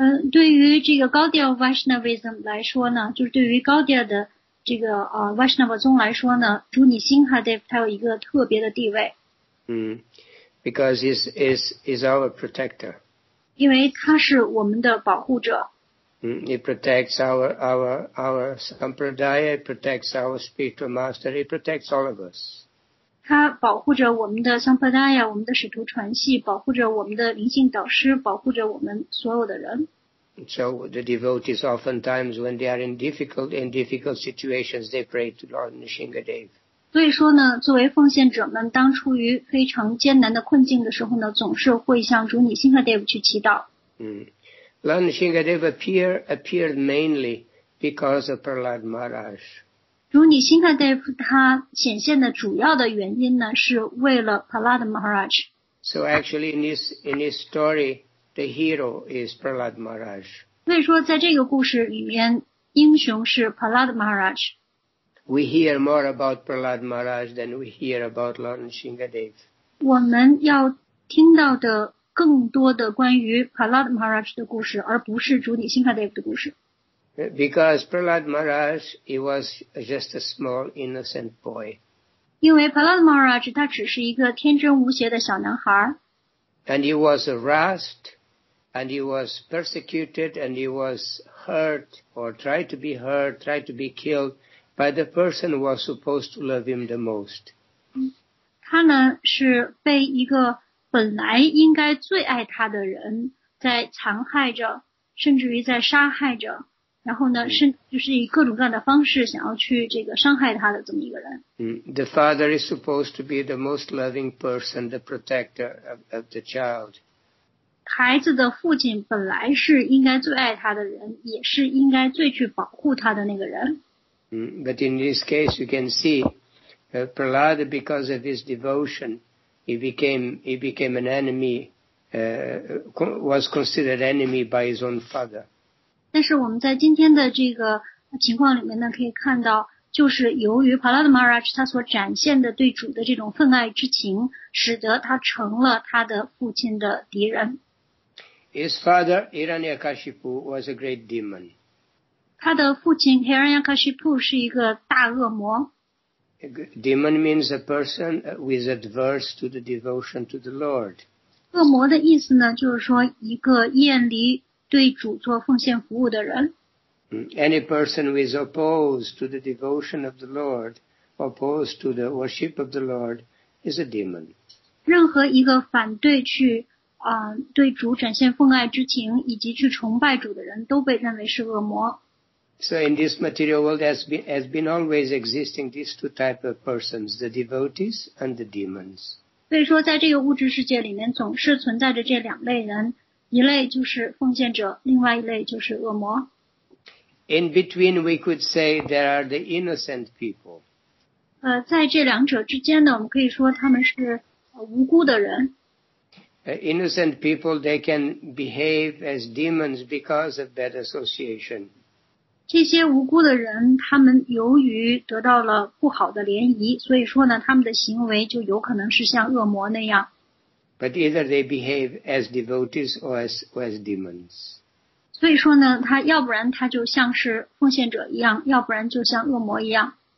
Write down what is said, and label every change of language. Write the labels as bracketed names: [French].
[Chinese] 对于这个 Gaudiya Vaishnavism 来说呢，就是对于 Gaudiya 的这个Vaishnava 宗来说呢，主女辛哈 Dev 他有一个特别的地位。 [English] Because he's our protector. [Chinese] 因为他是我们的保护者。 [English] He protects our sampradaya, protects our spiritual master, he protects all of us. [Chinese] 他保护着我们的 sampradaya, 我们的使徒传系，保护着我们的灵性导师，保护着我们所有的人。 [English] So the devotees oftentimes when they are in difficult situations, they pray to Lord Nrisimhadev. [Chinese] 所以说呢，作为奉献者们当处于非常艰难的困境的时候呢，总是会向主女辛哈 Dev 去祈祷。 [English] Lord Nrisimhadev appeared mainly because of Prahlad Maharaj. [Chinese] 主女辛哈 Dev 他显现的主要的原因呢，是为了 Prahlad Maharaj. [English] So actually in this story, the hero is Prahlad Maharaj. [Chinese] 所以说在这个故事里面，英雄是 Prahlad Maharaj。 [English] We hear more about Prahlad Maharaj than we hear about Lord Nrisimhadev. [Chinese] 我们要听到的更多的关于 Prahlad Maharaj 的故事，而不是主女辛哈 Dev 的故事。 [English] Because Prahlad Maharaj, he was just a small innocent boy. [Chinese] 因为 Prahlad Maharaj 他只是一个天真无邪的小男孩。 [English] And he was harassed, and he was persecuted, and he was hurt, or tried to be hurt, tried to be killed. By the person who was supposed to love him the most. [Chinese] 他呢是被一个本来应该最爱他的人在残害着，甚至于在杀害着，然后呢是就是以各种各样的方式想要去这个伤害他的这么一个人。 [English] The father is supposed to be the most loving person, the protector of the child. [Chinese] 孩子的父亲本来是应该最爱他的人，也是应该最去保护他的那个人。 [English] But in this case, you can see, Prahlad, because of his devotion, he became an enemy, was considered enemy by his own father. [Chinese] 但是我们在今天的这个情况里面呢，可以看到，就是由于 Prahlad Maharaj 他所展现的对主的这种分爱之情，使得他成了他的父亲的敌人。 [English] His father, Hiranyakashipu, was a great demon. [Chinese] 他的父亲 Hiranyakashipu 是一个大恶魔。 [English] Demon means a person who is adverse to the devotion to the Lord. [Chinese] 恶魔的意思呢，就是说一个厌离对主做奉献服务的人。 [English] Any person who is opposed to the devotion of the Lord, opposed to the worship of the Lord, is a demon. [Chinese] 任何一个反对去对主展现奉爱之情以及去崇拜主的人，都被认为是恶魔。 [English] So in this material world has been always existing these two types of persons, the devotees and the demons. [Chinese] 所以说在这个物质世界里面总是存在着这两类人，一类就是奉献者，另外一类就是恶魔。 [English] In between we could say there are the innocent people. [Chinese] 在这两者之间呢，我们可以说他们是无辜的人。 [English] Innocent people, they can behave as demons because of bad association. [Chinese] 这些无辜的人，他们由于得到了不好的涟漪，所以说呢，他们的行为就有可能是像恶魔那样。 [English] But either they behave as devotees or as demons. [Chinese] 所以说呢，他要不然他就像是奉献者一样，要不然就像恶魔一样。